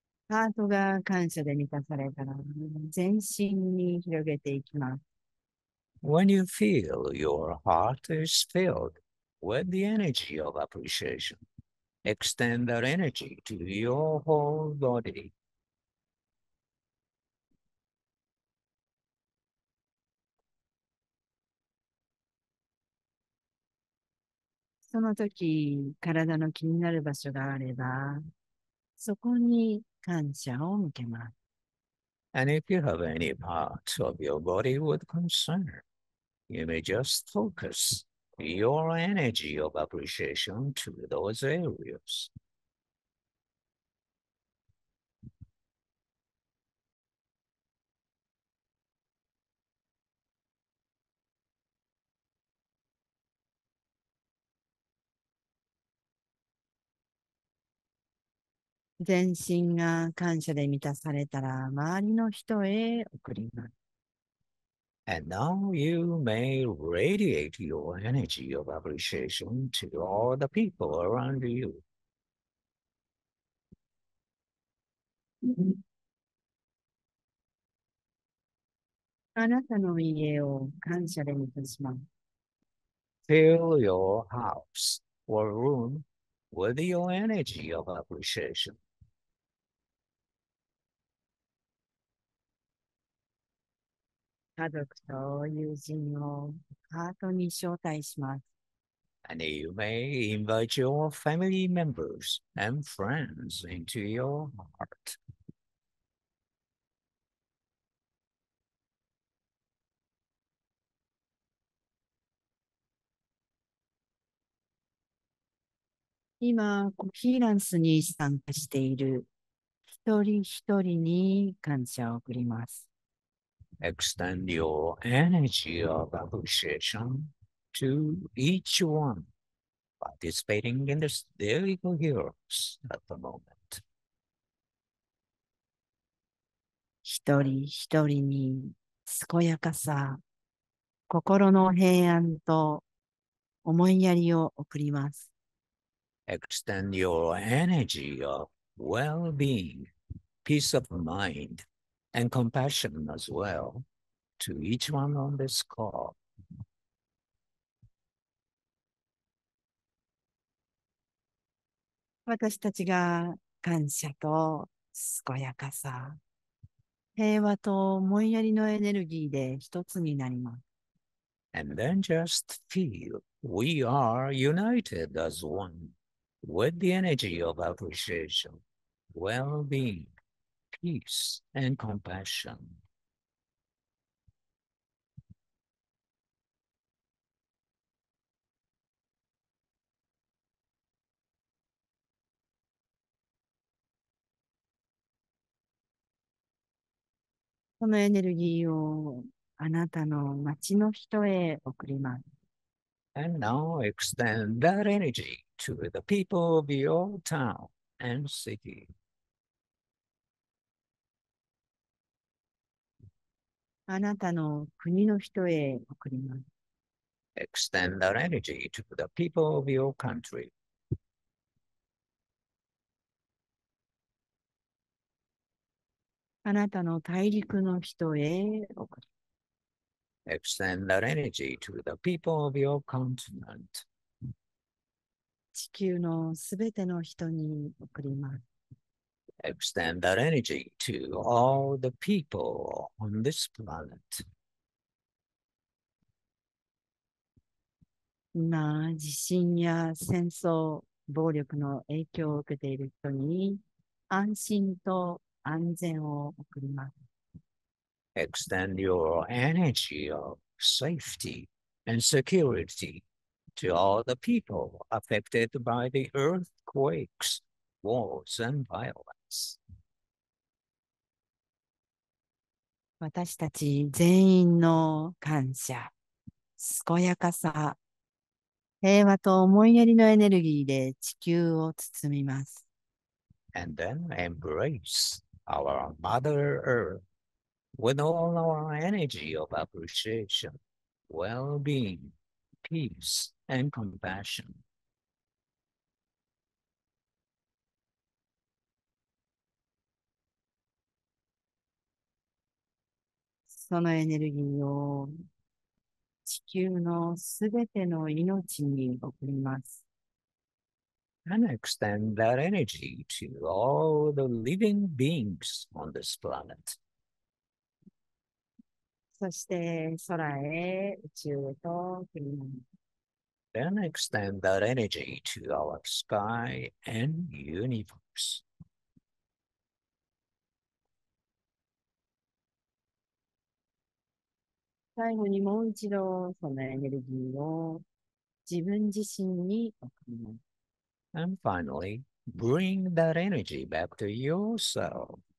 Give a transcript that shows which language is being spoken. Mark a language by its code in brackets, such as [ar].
[ja] ハートが感謝で満たされたら、全身に広げていきます。 [en] When you feel your heart is filled with the energy of appreciation, extend that energy to your whole body. [ja] その時、体の気になる場所があれば、そこに感謝を向けま [en] And if you have any part of your body with concern, you may just focus your energy of appreciation to those areas. [ja] す。全身が感謝で満たされたら、周りの人へ送ります。 [en] And now you may radiate your energy of appreciation to all the people around you. [ja] あなたの家を感謝で満たします。 [en] Fill your house or room with your energy of appreciation. [ja] と友人をハートに招待します。 [en] And you may invite your family members and friends into your heart. [ja] コヒーランスに参加している一人一人に感謝を送ります。 [en] Extend your energy of appreciation to each one. Participating in this daily coherence at the moment. [ja] 一人一人に健やかさ、心の平安と思いやりを送ります。 [en] Extend your energy of well-being, peace of mind, and compassion as well to each one on this call. [ja] 私たちが感謝と健やかさ、平和と思いやりのエネルギーで一つになります。 [en] And then just feel we are united as one with the energy of appreciation, well-being, peace, and compassion. [ja] このエネルギーをあなたの街の人へ送ります。 [en] And now extend that energy to the people of your town and city. [ja] あなたの国の人へ送ります。 [en] Extend that energy to the people of your country. [ja] あなたの大陸の人へ送り。 [en] Extend that energy to the people of your continent. [ja] 地球のすべての人に送ります。 [en] Extend that energy to all the people on this planet. [ja] 今、地震や戦争、暴力の影響を受けている人に安心と安全を送ります。 [en] Extend your energy of safety and security to all the people affected by the earthquakes, wars, and violence. [ja] 私たち全員の感謝、健やかさ、平和と思いやりのエネルギーで地球を包みます。 [en] And then embrace our Mother Earth. With all our energy of appreciation, well-being, peace, and compassion. [ja] そのエネルギーを地球のすべての命に送ります。 [en] And extend that energy to all the living beings on this planet. [ja] そして空へ、宇宙へと送ります。 [en] Then extend that energy to our sky and universe. [ja] 最後にもう一度、そのエネルギーを自分自身に送ります。 [en] And finally, bring that energy back to yourself.